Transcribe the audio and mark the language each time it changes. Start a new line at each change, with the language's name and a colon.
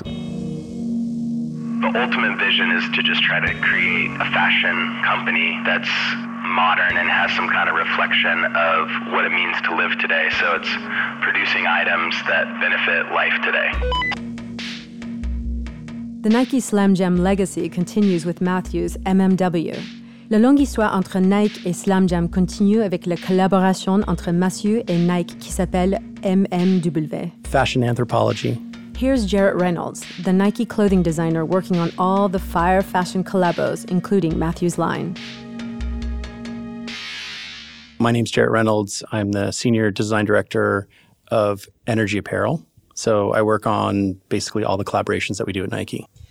English: The ultimate vision is to just try to create a fashion company that's modern and has some kind of reflection of what it means to live today. So it's producing items that benefit life today. The Nike Slam Jam legacy continues with Matthew's MMW.
French: La longue histoire entre Nike et Slam Jam continue avec la collaboration entre Matthew et Nike qui s'appelle MMW.
English: Fashion anthropology. Here's Jarrett Reynolds, the Nike clothing designer working on all the fire fashion collabos, including Matthew's line. My name's Jarrett Reynolds. I'm the senior design director of energy apparel. So I work on basically all the collaborations that we do at Nike.